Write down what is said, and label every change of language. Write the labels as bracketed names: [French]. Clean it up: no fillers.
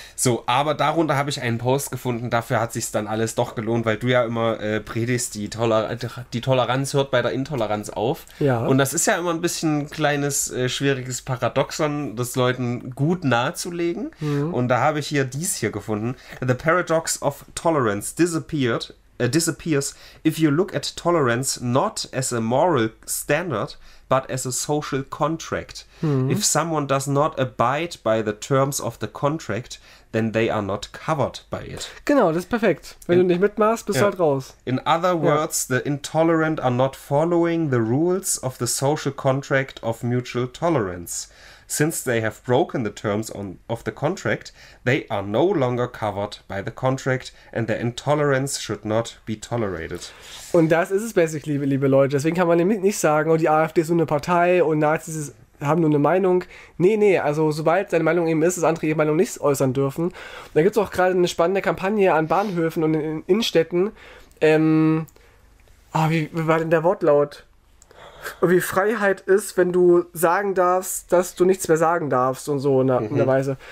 [German] So, aber darunter habe ich einen Post gefunden, dafür hat sich's dann alles doch gelohnt, weil du ja immer predigst, die Toleranz hört bei der Intoleranz auf. Ja. Und das ist ja immer ein bisschen ein kleines, schwieriges Paradoxon, das Leuten gut nahezulegen. Mhm. Und da habe ich hier gefunden. [English] The paradox of tolerance disappears if you look at tolerance not as a moral standard, but as a social contract. Hm. If someone does not abide by the terms of the contract, then they are not covered by it. [German] Genau, das ist perfekt. Wenn du nicht mitmachst, bist du halt raus. [English] In other words, the intolerant are not following the rules of the social contract of mutual tolerance. Since they have broken the terms of the contract, they are no longer covered by the contract and their intolerance should not be tolerated. [German] Und das ist es basically, liebe Leute. Deswegen kann man nämlich nicht sagen, oh, die AfD ist nur eine Partei und Nazis haben nur eine Meinung. Nee, also sobald seine Meinung eben ist, ist andere ihre Meinung nicht äußern dürfen. Und da gibt es auch gerade eine spannende Kampagne an Bahnhöfen und in Innenstädten. Wie war denn der Wortlaut? Und wie Freiheit ist, wenn du sagen darfst, dass du nichts mehr sagen darfst und so in der Weise.